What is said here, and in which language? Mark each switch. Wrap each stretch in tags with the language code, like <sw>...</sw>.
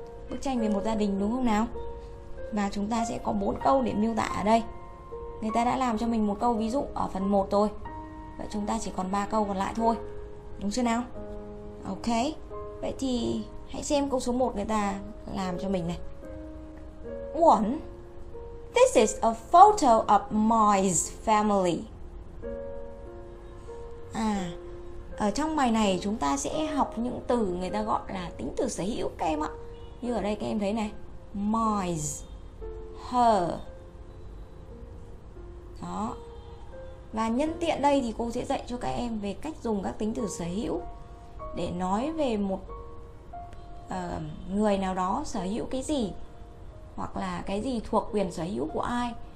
<vi>Bức tranh về một gia đình đúng không nào? Và chúng ta sẽ có 4 câu để miêu tả ở đây. Người ta đã làm cho mình một câu ví dụ ở phần 1 rồi. Vậy chúng ta chỉ còn 3 câu còn lại thôi. Đúng chưa nào? Ok. Vậy thì hãy xem câu số 1 người ta làm cho mình này. 1.</vi> <en>This is a photo of my family.</en> <vi>À, ở trong bài này chúng ta sẽ học những từ người ta gọi là tính từ sở hữu các em ạ. Như ở đây các em thấy này, my, her. Đó. Và nhân tiện đây thì cô sẽ dạy cho các em về cách dùng các tính từ sở hữu để nói về một người nào đó sở hữu cái gì, hoặc là cái gì thuộc quyền sở hữu của ai.</vi>